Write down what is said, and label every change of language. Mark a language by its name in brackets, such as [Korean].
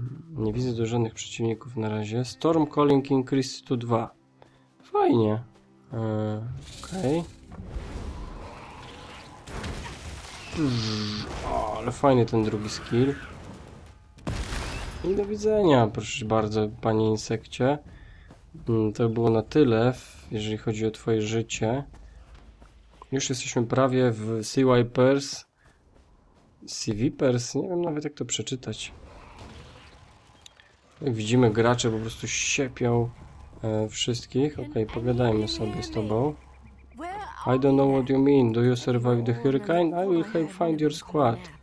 [Polish] Nie widzę tu żadnych przeciwników na razie. [English] Storm Calling Increased to 2. [Polish] Fajnie. Okej. Ale fajny ten drugi skill. I do widzenia, proszę bardzo, panie insekcie. To było na tyle, jeżeli chodzi o twoje życie. Już jesteśmy prawie w Sea Wipers. Sea Vipers? Nie wiem nawet, jak to przeczytać. Jak widzimy, gracze po prostu siepią wszystkich. Okej, pogadajmy sobie z tobą. [English] I don't know what you mean. Do you survive the hurricane? I will help find your squad.